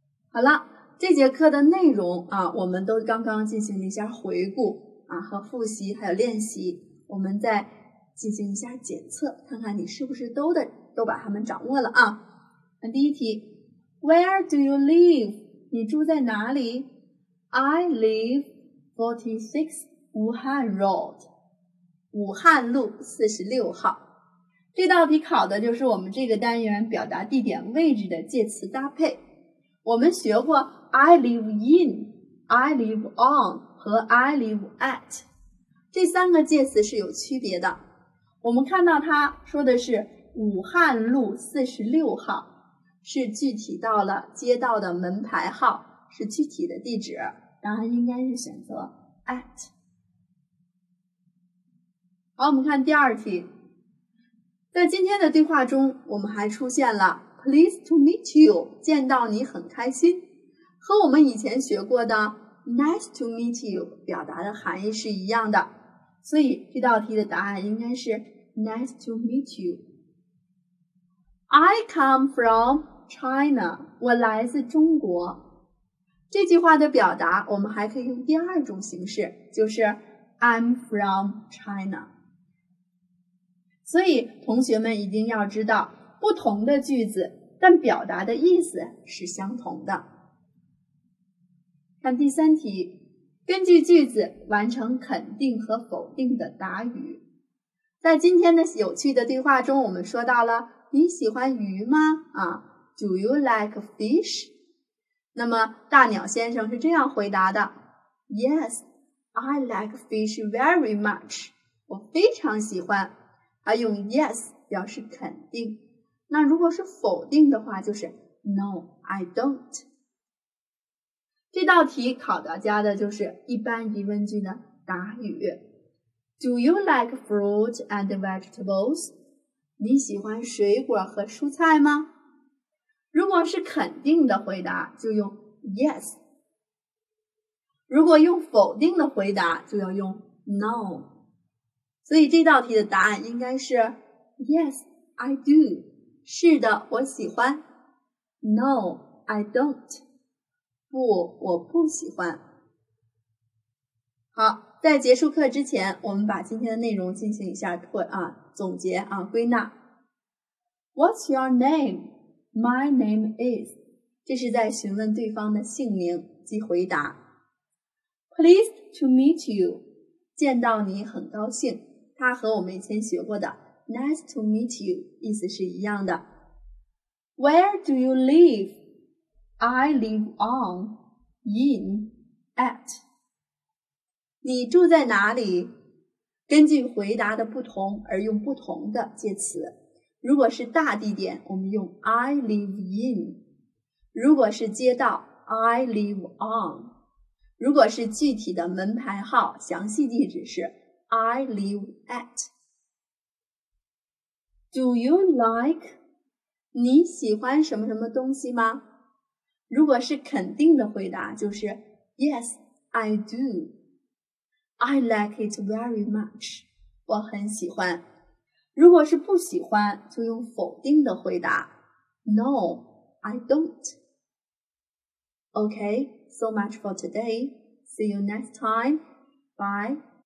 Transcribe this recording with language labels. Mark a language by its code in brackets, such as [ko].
[zh] 好了，这节课的内容啊，我们都刚刚进行了一下回顾啊和复习还有练习，我们再进行一下检测，看看你是不是都把它们掌握了啊。那第一题 ， [en] Where do you live? [zh] 你住在哪里？ [en] I live 46 Wuhan Road, [zh] 武汉路46号。这道题考的就是我们这个单元表达地点位置的介词搭配。我们学过 [en] I live in, I live on [zh] 和 [en] I live at。 [zh] 这三个介词是有区别的。我们看到它说的是武汉路46号，是具体到了街道的门牌号，是具体的地址。然后应该是选择 at。好，我们看第二题。在今天的对话中，我们还出现了 [en] Pleased to meet you， [zh] 见到你很开心，和我们以前学过的 [en] Nice to meet you [zh] 表达的含义是一样的，所以这道题的答案应该是 [en] Nice to meet you。 I come from China， [zh] 我来自中国。这句话的表达我们还可以用第二种形式，就是 [en] I'm from China。 [zh] 所以同学们一定要知道，不同的句子但表达的意思是相同的。看第三题，根据句子完成肯定和否定的答语。在今天的有趣的对话中，我们说到了你喜欢鱼吗？啊， [en] Do you like fish? [zh] 那么大鸟先生是这样回答的， [en] Yes, I like fish very much， [zh] 我非常喜欢。他用 yes 表示肯定，那如果是否定的话就是 [en] No, I don't。 [zh] 这道题考大家的就是一般疑问句的答语。 [en] Do you like fruit and vegetables? [zh] 你喜欢水果和蔬菜吗？如果是肯定的回答就用 yes， 如果用否定的回答就要用 no。所以这道题的答案应该是 [en] yes I do， [zh] 是的我喜欢。 [en] no I don't， [zh] 不我不喜欢。好，在结束课之前，我们把今天的内容进行一下总结啊归纳。 [en] What's your name? My name is， [zh] 这是在询问对方的姓名及回答。 [en] Pleased to meet you， [zh] 见到你很高兴，它和我们以前学过的 [en] Nice to meet you [zh] 意思是一样的。 [en] Where do you live? I live on, in, at。 [zh] 你住在哪里？根据回答的不同而用不同的介词。如果是大地点，我们用 [en] I live in。 [zh] 如果是街道， [en] I live on。 [zh] 如果是具体的门牌号，详细地址是 [en] I live at。 Do you like? [zh] 你喜欢什么什么东西吗？如果是肯定的回答就是 [en] Yes, I do。 I like it very much。 [zh] 我很喜欢。如果是不喜欢，就用否定的回答 [en] No, I don't. Okay, so much for today. See you next time. Bye.